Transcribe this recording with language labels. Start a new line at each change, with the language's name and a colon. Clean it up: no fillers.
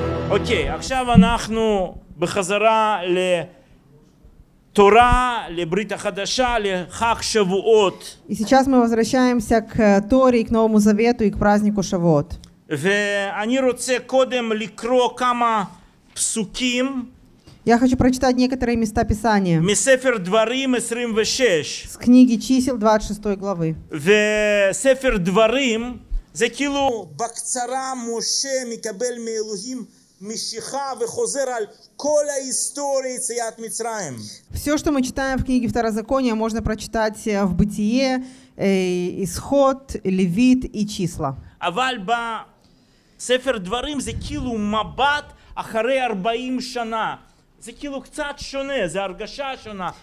Hebrew: Окей, עכשיו אנחנו בחזרה לתורה, לברית החדשה, לחג שבועות.
Russian: И сейчас мы возвращаемся к Торе, к Новому Завету и к празднику Шавуот.
Hebrew: ואני רוצה קודם לקרוא כמה פסוקים.
Russian: Я хочу прочитать некоторые места Писания.
Hebrew: Месефер Дварим 26.
Russian: С книги Чисел 26 главы.
Hebrew: Месефер Дварим זה כאילו בקצרה משה מקבל מאלוהים משיכה וחוזר על כל ההיסטוריה יציאת מצרים.
Russian: Все, что мы читаем в книге Второзакония, можно прочитать в Бытие, Исход, Левит и Числа.
Hebrew: אבל בספר דברים זה כאילו מבט אחרי 40 שנה. זה כאילו קצת שונה, זה הרגשה שונה.